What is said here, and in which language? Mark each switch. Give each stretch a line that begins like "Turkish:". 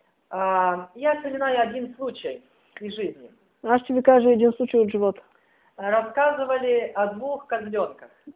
Russian: Я вспоминаю один случай из жизни.
Bulgarian: Аз ще ви кажа един случай от живота.
Russian: Разказывали о двух козленках.